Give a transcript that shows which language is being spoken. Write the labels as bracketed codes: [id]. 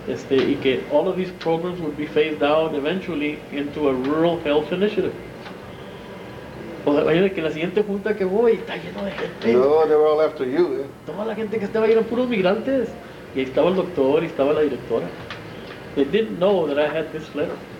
[es] Y que [en] all of these programs would be phased out eventually into a Rural Health Initiative. [es] Pues vaya que la siguiente junta que voy está lleno de gente. [en] No, they were all after you. [es] Toda la gente que estaba ahí eran puros migrantes. Y ahí estaba el doctor y estaba la directora. [en] They didn't know that I had this letter.